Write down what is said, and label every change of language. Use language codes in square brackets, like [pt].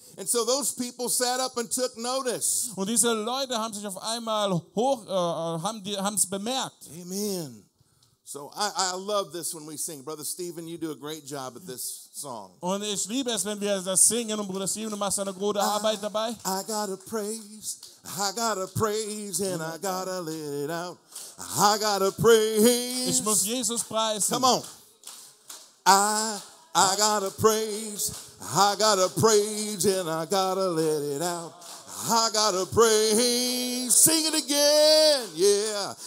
[en] And so those people sat up and took notice. [de] Und diese Leute haben sich auf einmal haben's bemerkt. [en] Amen. So I love this when we sing. Brother Stephen, you do a great job at this song. [de] Und ich liebe es, wenn wir das singen. Und Bruder Stephen, du machst eine gute Arbeit dabei. [en] I gotta praise. I gotta praise and I gotta let it out. I gotta praise. [de] Ich muss Jesus preisen. [en] Come on. I gotta praise. I gotta praise and I gotta let it out. I gotta praise. Sing it again. Yeah.